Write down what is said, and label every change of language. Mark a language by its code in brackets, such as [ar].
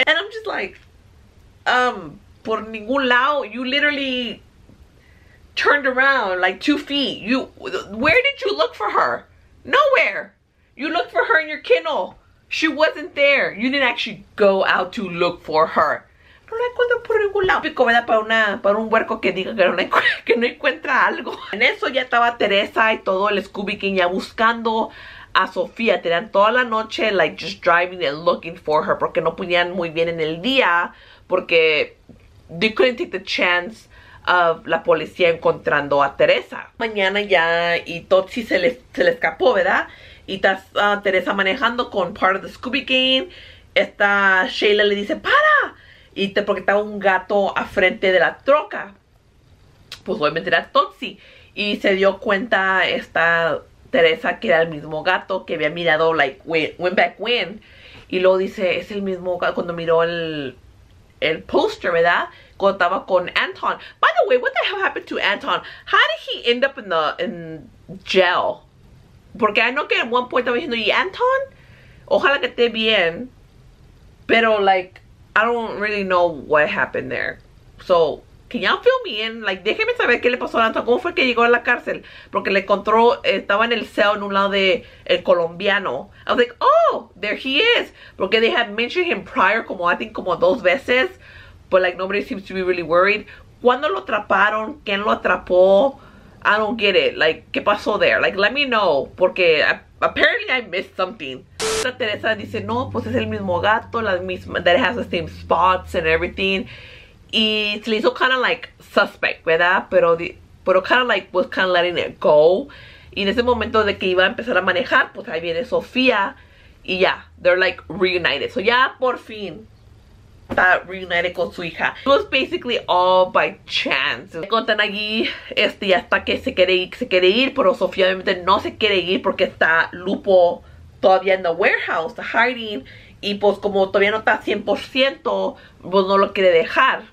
[en] And I'm just like, [es] por ningún lado. [en] You literally turned around like 2 feet. You, where did you look for her? Nowhere. You looked for her in your kennel. She wasn't there. You didn't actually go out to look for her. [es] No la encuentro por ningún lado. Pico, ¿verdad? Para un huerco que diga que no encuentra algo. En eso ya estaba Teresa y todo el Scooby King ya buscando a Sofía. Tenían toda la noche, like, [en] just driving and looking for her. [es] Porque no ponían muy bien en el día. [en] Porque they couldn't take the chance of [es] la policía encontrando a Teresa. Mañana ya, y Totsi se le escapó, ¿verdad? Y está Teresa manejando con [en] part of the Scooby Gang. [es] Esta Sheila le dice, ¡para! Y porque estaba un gato a frente de la troca. Pues obviamente era Totsi. Y se dio cuenta esta Teresa que era el mismo gato que había mirado, like, [en] went back when. [es] Y luego dice, es el mismo gato cuando miró el poster, ¿verdad? Cuando estaba con Anton. [en] By the way, what the hell happened to Anton? How did he end up in jail? [es] Porque [en] I know [es] que [en] at one point [es] estaba diciendo, y Anton, ojalá que esté bien. [en] Pero, like, I don't really know what happened there. So, can y'all fill me in? [es] Like, déjeme saber qué le pasó a Anton. ¿Cómo fue que llegó a la cárcel? Porque le encontró, estaba en el cell en un lado de el colombiano. [en] I was like, oh, there he is. Porque they had mentioned him prior, como I think, [es] como dos veces. [en] But, like, nobody seems to be really worried. [es] ¿Cuándo lo atraparon? ¿Quién lo atrapó? [en] I don't get it. Like, [es] ¿qué pasó [en] there? Like, let me know. Porque apparently I missed something. [es] La Teresa dice, no, pues es el mismo gato. La misma, [en] that has the same spots and everything. [es] Y se le hizo [en] kind of like suspect, ¿verdad? Pero kind of like was kind of letting it go. [es] Y en ese momento de que iba a empezar a manejar, pues ahí viene Sofía. Y ya, [en] yeah, they're like reunited. [es] So, ya, por fin, está reunited con su hija. [en] It was basically all by chance. [es] Le contan allí, hasta que se quiere ir, pero Sofía obviamente no se quiere ir porque está Lupo todavía en [en] the warehouse, [es] hiding, y pues como todavía no está 100%, pues no lo quiere dejar.